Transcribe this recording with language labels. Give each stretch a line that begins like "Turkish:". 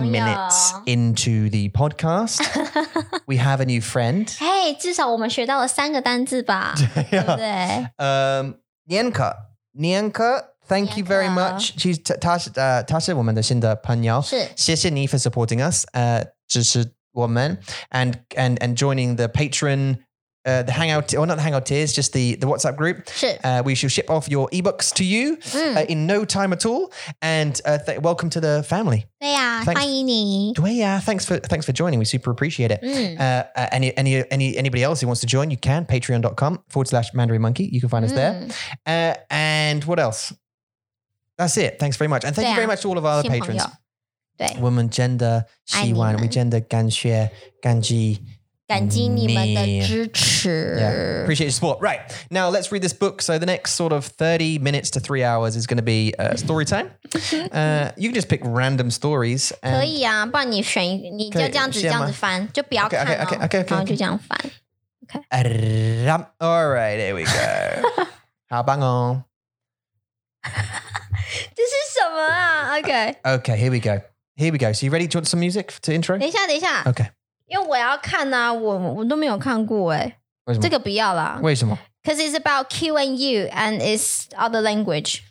English: minutes into the podcast, we have a new friend.
Chinese: Hey, 至少我们学到了三个单字吧, 对不对?
English: Nianka, thank you very much. She's
Chinese: 她是我们的新的朋友.谢谢你
English: for supporting us.
Chinese: 支持
English: woman and joining the patron the hangout, or not the hangout tiers, just the WhatsApp group. We shall ship off your ebooks to you in no time at all, and welcome to the family. Thanks for joining. We super appreciate it. Anybody else who wants to join, you can patreon.com/mandarinmonkey. You can find us there. And what else? That's it. Thanks very much, and thank you very much to all of our other patrons.
Chinese: 对, 我们真的希望, 我们真的感谢, 感激,
English: Appreciate your support. Right. Now let's read this book. So the next sort of 30 minutes to 3 hours is going to be story time. You can just pick random stories.
Chinese: 可以啊,不然你选,你就这样子翻,就不要看哦。Okay.
English: All right, here we go.
Chinese: 好棒哦。这是什么啊?Okay.
English: Okay, here we go. Here we go. So you ready to want some music to intro?
Chinese: 等一下。
English: Okay.
Chinese: 因为我要看啊,我都没有看过欸。为什么?这个不要啦。为什么?
English: Because it's about Q and U and it's other language.